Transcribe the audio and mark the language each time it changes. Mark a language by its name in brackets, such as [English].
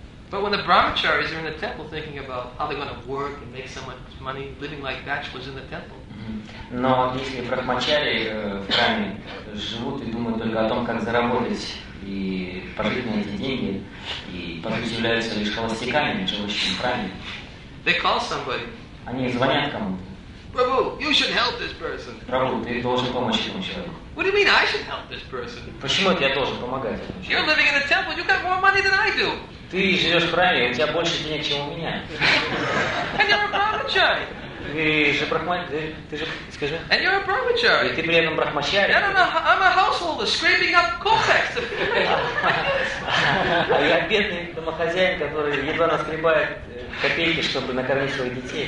[English] But when the brahmacharis are in the temple thinking about how they're going to work and make so much money living like bachelors in the temple. [Russian] Но если брахмачари в храме живут и думают только о том, как заработать и прожить на эти деньги, и подразумеваются лишь холостяками, живущими в храме, [English] they call somebody. [Russian] Они звонят кому-то. [English] Prabhu, you should help this person. [Russian] Prabhu, ты должен помочь этому человеку. [English] What do you mean I should help this person? [Russian] Почему это я должен помогать этому человеку? [English] You're living in a temple, you got more money than I do. [Russian] Ты живешь в храме, у тебя больше денег, чем у меня. [English] And you're a brahmachari. [Russian] Ты же скажи. [English] And you're a brahmachari. [Russian] И ты при этом брахмачари. [English] And I'm a householder scraping up kopecks. [Russian] А я бедный домохозяин, который едва наскребает копейки, чтобы накормить своих детей.